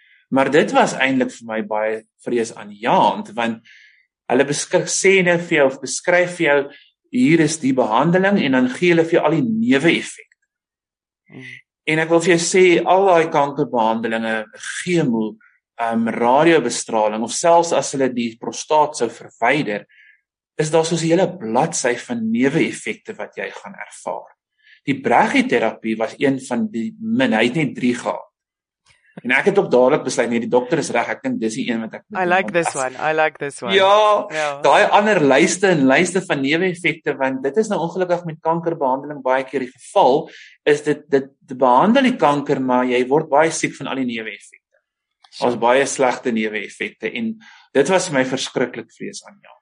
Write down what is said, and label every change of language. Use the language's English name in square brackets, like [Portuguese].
[Afrikaans] Maar dit was eintlik vir my baie vrees aan jaand, want hulle beskryf vir jou hier is die behandeling en dan gee hulle vir jou al die newe effekte. En ek wil vir jou sê al daai kankerbehandelinge, chemo, radiobestraling of selfs as hulle die prostaat sou verwyder, is daar soos 'n hele bladsy van newe effekte wat jy gaan ervaar. Die brachyterapie was een van die min, hy het net 3 gehad. En ek het ook dadelik besluit, nee, die dokter is reg, ek dink dis die een wat ek bedoel. [English] I like this one. [Afrikaans] Ja, daai ander lyste en lyste van neeweffekte, want dit is nou ongelukkig met kankerbehandeling baie keer die geval, is dit behandel die kanker, maar jy word baie siek van al die neeweffekte. Ons baie slegte neeweffekte en dit was my verskriklik vrees aan jou.